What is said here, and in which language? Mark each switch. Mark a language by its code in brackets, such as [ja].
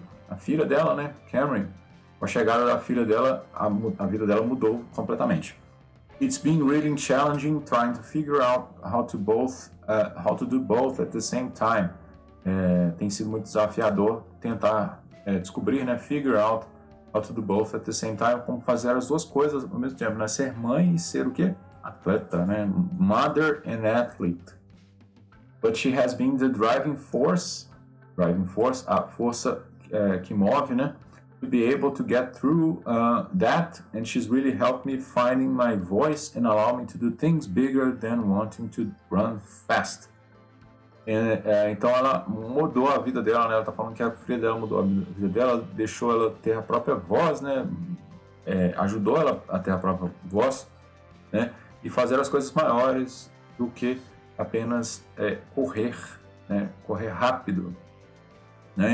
[pt] A filha dela, né, Cameron, com a chegada da filha dela, a vida dela mudou completamente. [en] It's been really challenging trying to figure out how to do both at the same time. [pt] Tem sido muito desafiador tentar descobrir, né, [en] figure out how to do both at the same time, [pt] como fazer as duas coisas ao mesmo tempo, né, ser mãe e ser o quê? Atleta, né, [en] mother and athlete. But she has been the driving force, [pt] a força que move, né, [en] to be able to get through that, and she's really helped me finding my voice and allow me to do things bigger than wanting to run fast. [pt] Então ela mudou a vida dela, né, ela tá falando que a filha dela mudou a vida dela, deixou ela ter a própria voz, né, ajudou ela a ter a própria voz, né, e fazer as coisas maiores do que apenas correr, né, correr rápido. Né?